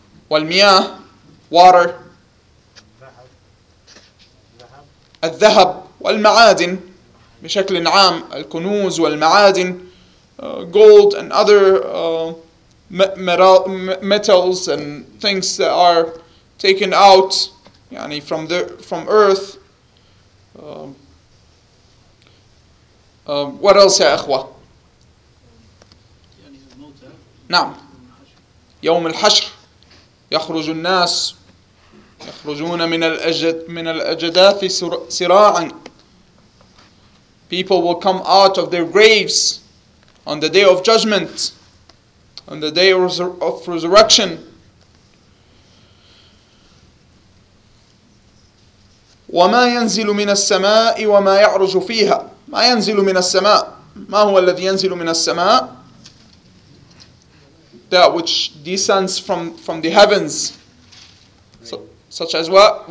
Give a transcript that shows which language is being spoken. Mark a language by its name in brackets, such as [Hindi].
[Arabic] والمياه, [English] water, [Arabic] الذهب, والمعادن, بشكل عام, الكنوز والمعادن, [English] gold and other metals and things that are taken out, [Arabic] يعني [English] from earth. What else, [Arabic] يا إخوة؟ نعم, يوم الحشر. يخرج الناس يخرجون من الأجداث سراعا. [English] People will come out of their graves on the day of judgment, on the day of resurrection. [Arabic] وما ينزل من السماء وما يعرج فيها. ما ينزل من السماء, ما هو الذي ينزل من السماء؟ [English] That which descends from the heavens, such as what?